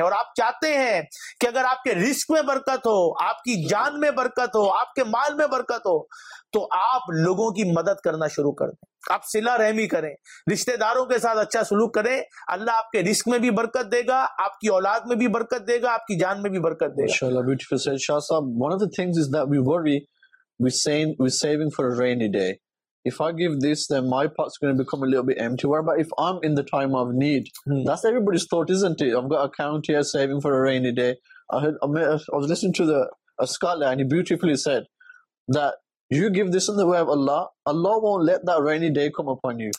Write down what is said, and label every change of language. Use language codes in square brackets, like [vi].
[ur] اور آپ چاہتے ہیں کہ اگر آپ کے رزق میں برکت ہو, آپ کی جان میں برکت ہو, آپ کے مال میں برکت ہو, تو آپ لوگوں کی مدد کرنا شروع کر دیں. آپ صلہ رحمی کریں, رشتہ داروں کے ساتھ اچھا سلوک کریں, اللہ آپ کے رزق میں بھی برکت دے گا, آپ کی اولاد میں بھی برکت دے گا, آپ کی جان میں بھی برکت دے گا. انشاءاللہ. [en] Beautiful sir. Shah Sahib, one of the things is that we worry, we saving for a rainy day. If I give this, then my pot's going to become a little bit empty. What about if I'm in the time of need? That's everybody's thought, isn't it? I've got an account here saving for a rainy day. I was listening to a scholar and he beautifully said that you give this in the way of Allah, Allah won't let that rainy day come upon you.